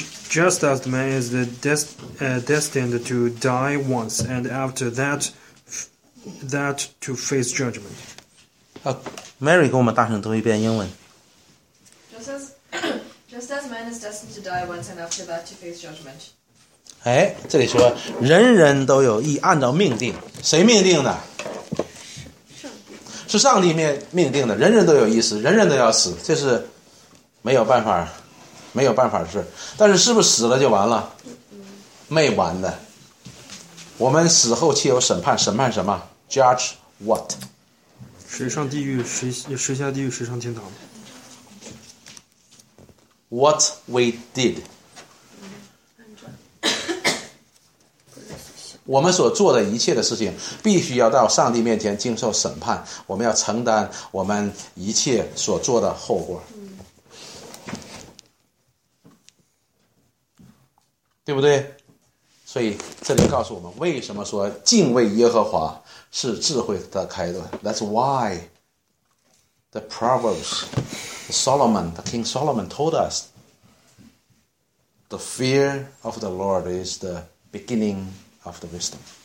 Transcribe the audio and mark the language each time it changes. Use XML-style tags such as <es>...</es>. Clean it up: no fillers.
<en>Just as man is the destined to die once, and after that, that to face judgment.</en> <zh>啊 ，Mary 给我们大声读一遍英文。</zh> <en>Just as man is destined to die once, and after that to face judgment.</en> <zh>哎，这里说人人都有义，按照命定，谁命定的？是上帝命定的。人人都有义死，人人都要死，这是没有办法，没有办法的事。但是是不是死了就完了？没完的。我们死后岂有审判？审判什么 ？ Judge what？谁上地狱？谁下地狱？谁上天堂？ What we did，我们所做的一切的事情必须要到上帝面前经受审判，我们要承担我们一切所做的后果，对不对？所以这里告诉我们为什么说敬畏耶和华是智慧的开端。</zh> <en>That's why the Proverbs Solomon, the King Solomon told usThe fear of the Lord is the beginning of the wisdom.</en>